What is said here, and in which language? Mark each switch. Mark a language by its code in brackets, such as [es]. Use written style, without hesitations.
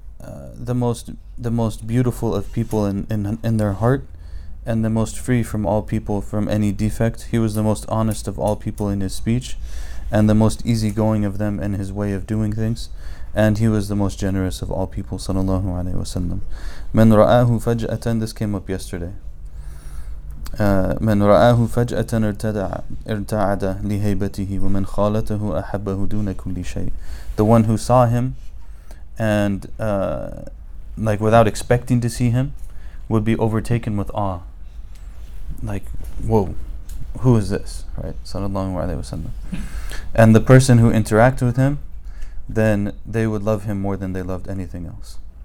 [en] he was the most beautiful of people in their heart, and the most free from all people from any defect. He was the most honest of all people in his speech, and the most easygoing of them in his way of doing things. And he was the most generous of all people, sallallahu alaihi wasallam. [ar] Man ra'ahu faj'atan, [en] this came up yesterday. [ar] من رآه فجأة ارتعد لهيبته ومن خالته أحبه دون كل شيء. [en] The one who saw him and like without expecting to see him would be overtaken with awe. Like, whoa, who is this? Right, sallallahu alaihi wasallam. And the person who interacted with him, then they would love him more than they loved anything else.